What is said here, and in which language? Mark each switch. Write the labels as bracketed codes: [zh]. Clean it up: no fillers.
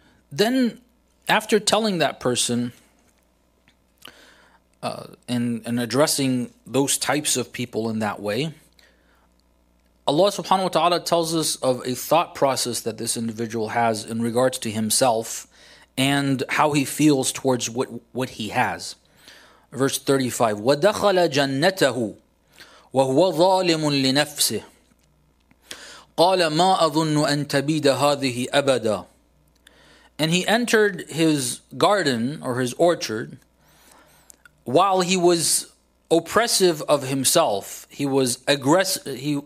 [en] Then, after telling that person and addressing those types of people in that way, Allah subhanahu wa ta'ala tells us of a thought process that this individual has in regards to himself and how he feels towards what he has. Verse 35, [ar] وَدَخَلَ جَنَّتَهُ وَهُوَ ظَالِمٌ لِنَفْسِهِ قَالَ مَا أَظُنُّ أَن تَبِيدَ هَذِهِ أَبَدًا. [en] And he entered his garden or his orchard while he was oppressive of himself. He was aggressive.